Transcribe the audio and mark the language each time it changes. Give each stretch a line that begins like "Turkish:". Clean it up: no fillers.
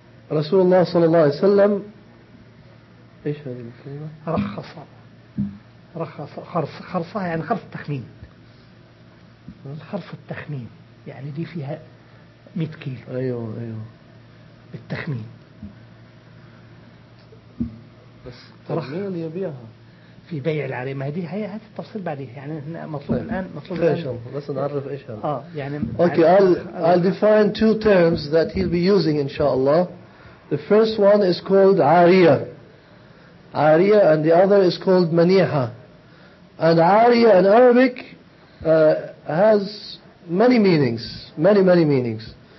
Arabic: Rasulullah sallallahu alayhi wa sallam, ايش هذه الكلمة؟ رخص، رخص خرص، خرصها يعني خرص التخمين، خرص التخمين، يعني دي فيها 100 كيلو. ايوه ايوه، بالتخمين. بس تخمين اللي يبيعها في بيع العارية، ما هذه هي هذه التفصيل بعدين، يعني مطلوب الآن، مطلوب الآن. إيش هو؟ بس نعرف إيش هذا. يعني.
English: Okay, I'll define two terms that he'll be using inshallah. The first one is called عارية. عارية, and the other is called منيحة. And عارية in Arabic has many meanings, many meanings.